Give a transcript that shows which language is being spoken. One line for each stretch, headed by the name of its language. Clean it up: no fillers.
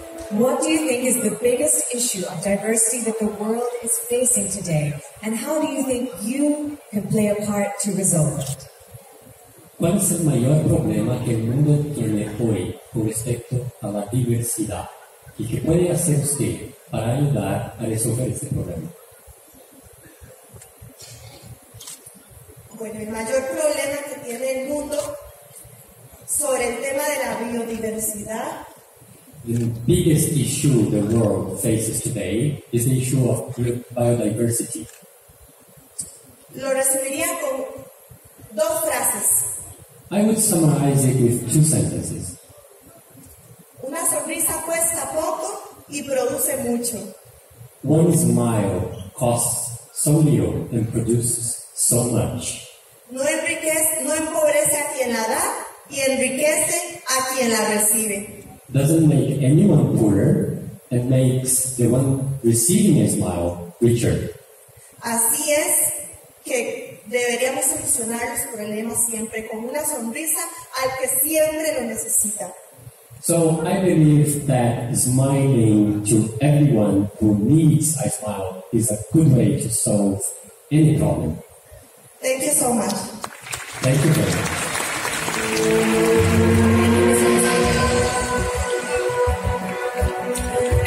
English: What do you think is the biggest issue of diversity that the world is facing today, and how do you think you can play a part to resolve it?
Portuguese: Qual é o maior problema que o mundo tem hoje com respeito à diversidade, e que pode fazer você para ajudar a resolver esse problema?
Spanish: Bueno, el mayor problema que tiene el mundo sobre el tema de la biodiversidad.
English: The biggest issue the world faces today is the issue of biodiversity.
Spanish: Lo resumiría con dos frases.
English: I would summarize it with two sentences.
Spanish: Una sonrisa cuesta poco y produce mucho.
English: One smile costs so little and produces so much.
Spanish: No enriquece, no empobrece a quien la da. Y enriquece a quien la recibe.
English: Doesn't make anyone poorer, it makes the one receiving a smile richer.
Spanish: Así es que deberíamos solucionar los problemas siempre con una sonrisa al que siempre lo necesita.
English: So I believe that smiling to everyone who needs a smile is a good way to solve any problem. Thank you so much. Thank you very much.